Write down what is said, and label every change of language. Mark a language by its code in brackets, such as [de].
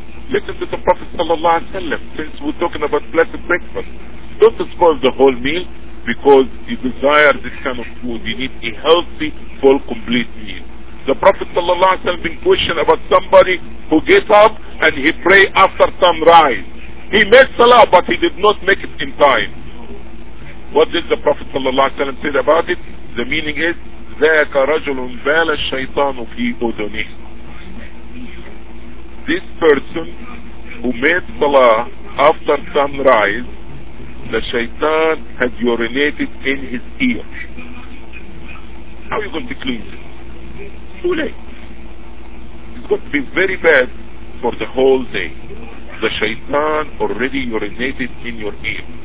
[en] Listen to the Prophet sallallahu alaihi wasallam. Since we're talking about blessed breakfast, don't spoil the whole meal because you desire this kind of food. You need a healthy, full, complete meal. The Prophet sallallahu alaihi wasallam been questioned about somebody who gets up and he pray after sunrise. He made salah, but he did not make it in time. What did the Prophet sallallahu alaihi wasallam say about it? The meaning is [ar] ذاك رجل بال الشيطان في أذنه. [en] This person who made salah after sunrise, the shaitan had urinated in his ear. How are you going to clean it? Too late. It's going to be very bad for the whole day. The shaitan already urinated in your ear.